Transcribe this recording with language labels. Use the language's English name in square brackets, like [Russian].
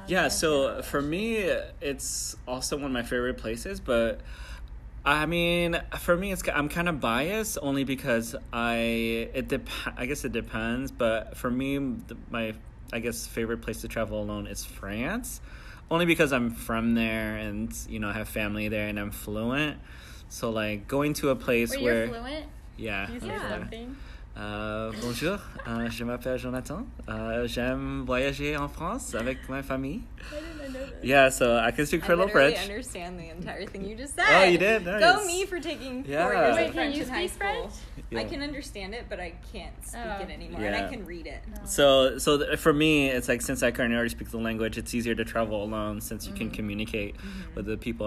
[English] Yeah, so for me, it's also one of my favorite places, but I mean, for me, I'm kind of biased only because I guess it depends, but for me, my favorite place to travel alone is France, only because I'm from there and, you know, I have family there and I'm fluent. So, like, going to a place where... Are you fluent? Yeah. Something? [French] Bonjour, je m'appelle Jonathan. J'aime voyager en France avec ma famille. [English] I didn't know that. Yeah, so I can speak a little French. I understand the entire thing you just said. Oh, you did? Nice. Go me for taking 4 years of French. Wait, can you speak French? Yeah. I can understand it, but I can't speak it anymore. Yeah. And I can read it. No. So for me, it's like since I currently already speak the language, it's easier to travel alone since you can communicate with the people.